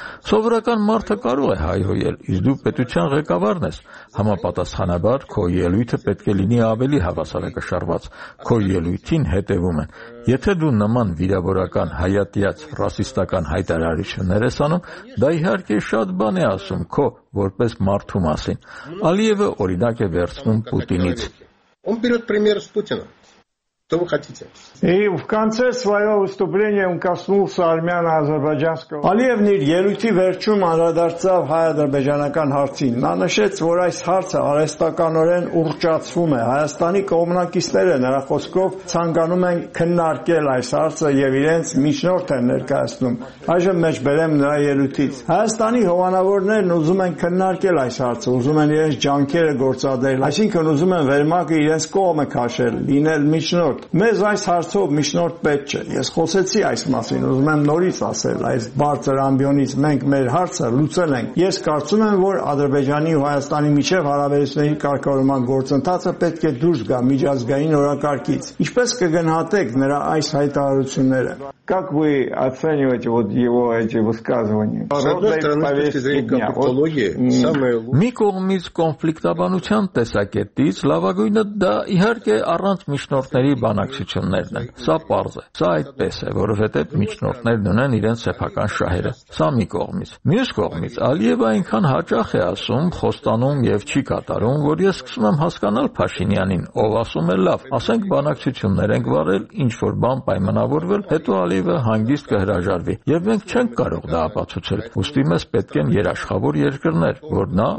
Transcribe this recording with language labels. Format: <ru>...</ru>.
<hy>Սովորական մարդը կարող է հայհոյել, իսկ դու պետության ղեկավարն ես, համապատասխանաբար քո ելույթը պետք է լինի ավելի հավասարակշռված, քո ելույթին հետևում են։ Եթե դու նման վիրավորական հայատյաց ռասիստական հայտարարություններ ես անում, դա իհարկե շատ բան է ասում քո որպես մարդու մասին։ Ալիևը օրինակ է վերցնում Պուտինից։</hy> <ru>Он берёт пример с Путина. Что вы хотите? И в конце своего выступления он коснулся армяно-азербайджанского.</ru> <hy>Ալիևն իր ելույթի վերջում անդրադարձավ հայ-ադրբեջանական հարցին։ Նա նշեց, որ այս հարցը արհեստականորեն ուռճացվում է։ Հայաստանի կողմնակիցները նրա խոսքով ցանկանում են քննարկել այս հարցը եւ իրենց միջնորդ են ներկայացնում։ Այժմ մեջբերեմ նրա ելույթից։ Հայաստանի հովանավորներն ուզում են քննարկել այս հարցը, ուզում են իրենց ջանքերը գործադրել, այսինքն ուզում են վերմակը իրենց կողմը քաշել, լինել միջնորդ։ Մեզ այս հարցով միջնորդ պետք չէ։ Ես խոսեցի այս մասին, ուզում եմ նորից ասել, այս բարձր ամբիոնից մենք մեր հարցը լուծել ենք։ Ես կարծում եմ, որ Ադրբեջանի ու Հայաստանի միջև հարաբերությունների կարգավորման գործընթացը պետք է դուրս գա միջազգային օրակարգից։ Ինչպես կգնահատեք նրա այս հայտարարությունները?</hy> <ru>Как вы оцениваете вот его эти высказывания? С одной стороны, самое</ru> <hy>Մի կողմից կոնֆլիկտաբանության տեսակետից լավագույնը դա իհարկե առանց միջնորդների բանակցություններն են։ Սա պարզ է, սա այդպես է, որովհետև միջնորդներն ունեն իրենց սեփական շահերը։ Սա մի կողմից։ Մյուս կողմից Ալիևը այնքան հաճախ է ասում, խոստանում եւ չի կատարում, որ ես սկսում եմ հասկանալ Փաշինյանին, ով ասում է լավ, ասենք բանակցություններ ենք վարել, ինչ որ բան պայմանավորվել, հետո Ալիևը հանգիստ կհրաժարվի։ Եվ մենք չենք կարող դա ապացուցել։ Ուստի մեզ պետք են երաշխավոր երկրներ, որ նա</hy>